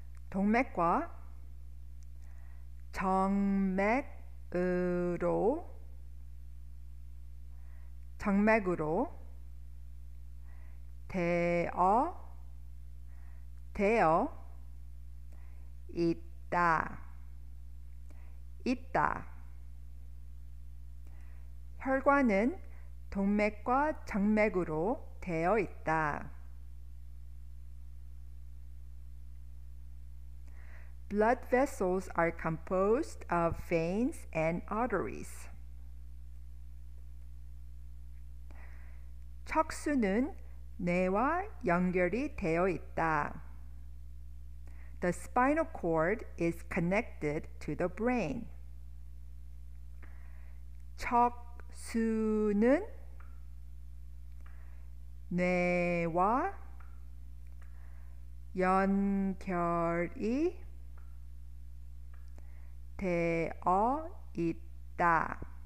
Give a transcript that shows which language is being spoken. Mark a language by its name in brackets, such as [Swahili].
[Korean] 동맥과 정맥으로 되어 있다. 혈관은 동맥과 정맥으로 되어 있다. [English] 'Blood vessels are composed of veins and arteries.' [Korean] 척수는 뇌와 연결이 되어 있다. [English] The spinal cord is connected to the brain. [Korean] 척수는 뇌와 연결이 되어 있다.